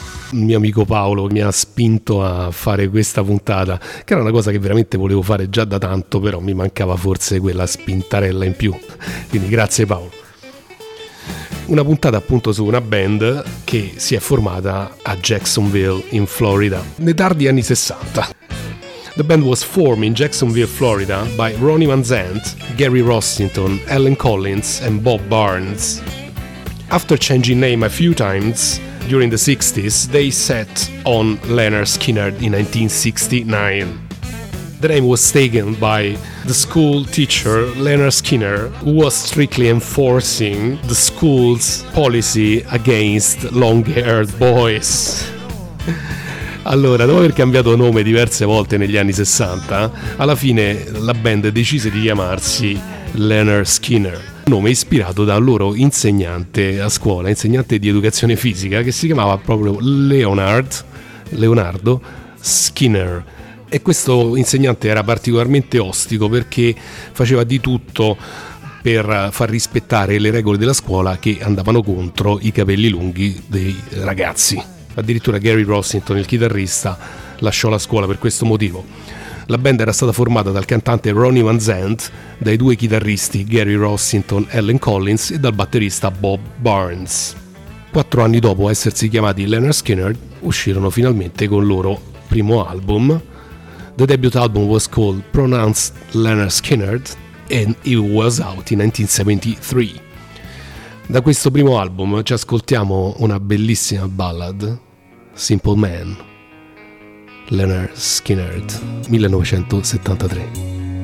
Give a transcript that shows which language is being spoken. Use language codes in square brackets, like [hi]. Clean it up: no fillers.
[it] Il mio amico Paolo mi ha spinto a fare questa puntata, che era una cosa che veramente volevo fare già da tanto, però mi mancava forse quella spintarella in più. Quindi grazie Paolo. Una puntata appunto su una band che si è formata a Jacksonville in Florida nei tardi anni 60. [en] The band was formed in Jacksonville, Florida by Ronnie Van Zant, Gary Rossington, Alan Collins and Bob Barnes. After changing name a few times during the 60s, they set on Lynyrd Skynyrd in 1969. The name was taken by the school teacher Lynyrd Skynyrd, who was strictly enforcing the school's policy against long-haired boys. [it] Allora, dopo aver cambiato nome diverse volte negli anni 60, alla fine la band decise di chiamarsi Lynyrd Skynyrd, nome ispirato dal loro insegnante a scuola, insegnante di educazione fisica, che si chiamava proprio Leonardo Skynyrd. E questo insegnante era particolarmente ostico perché faceva di tutto per far rispettare le regole della scuola che andavano contro i capelli lunghi dei ragazzi. Addirittura Gary Rossington, il chitarrista, lasciò la scuola per questo motivo. La band era stata formata dal cantante Ronnie Van Zant, dai due chitarristi Gary Rossington e Alan Collins e dal batterista Bob Barnes. Quattro anni dopo essersi chiamati Lynyrd Skynyrd, uscirono finalmente con il loro primo album. [en] The debut album was called Pronounced Lynyrd Skynyrd and it was out in 1973. [it] Da questo primo album ci ascoltiamo una bellissima ballad, Simple Man, Lynyrd Skynyrd, 1973.